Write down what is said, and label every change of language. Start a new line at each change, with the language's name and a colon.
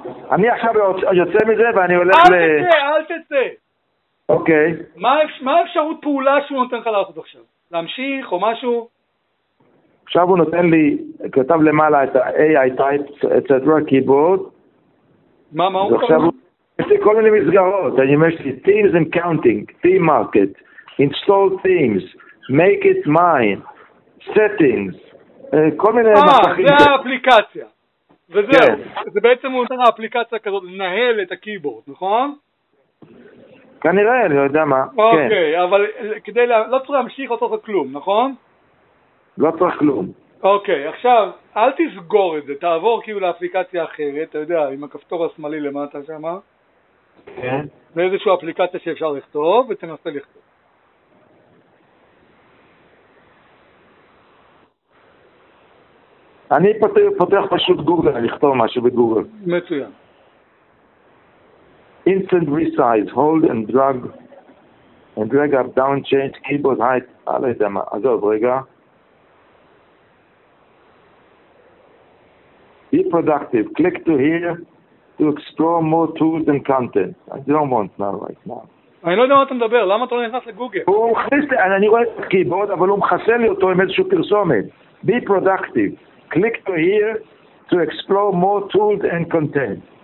Hebrew: אני עכשיו יוצא מזה ואני הולך אל תצא, אל תצא. אוקיי. מה האפשרות פעולה שהוא נותן לך לעשות עכשיו? להמשיך או משהו? עכשיו הוא נותן לי, כתב למעלה את ה-AI type, etc.
English: keyboard.
Hebrew: מה הוא קורא? יש לי כל מיני מסגרות, אני אומר שלי,
English: themes and counting, theme market, install themes, make it mine, settings,
Hebrew: כל מיני מסכים. זה האפליקציה. וזהו, זה בעצם הוא נותן האפליקציה כזאת, לנהל את הקייבורד, נכון? כנראה, אני לא יודע מה, כן. אוקיי, אבל כדי, לא צריך להמשיך, לא צריך כלום, נכון? לא צריך כלום. אוקיי, עכשיו, אל תסגור את זה, תעבור כאילו לאפליקציה אחרת, אתה יודע, עם הכפתור השמאלי למטה שם, כן. ואיזושהי אפליקציה שאפשר לכתוב, ותנסה לכתוב. אני פותח פשוט גוגל, אני אכתוב משהו בגוגל. מצוין.
English: Instant resize, hold and drag, and drag up, down, change, keyboard height,
Hebrew: עלה את זה, עזוב רגע.
English: Be productive, click to here, to explore more tools and content. I don't want now, right now.
Hebrew: אני לא יודע מה אתה מדבר, למה אתה לא נכנס לגוגל? הוא מכניס, אני רואה את הקייבורד, אבל הוא מחסה לי אותו עם איזשהו פרסומת.
English: Be productive. Click to here to explore more tools and content.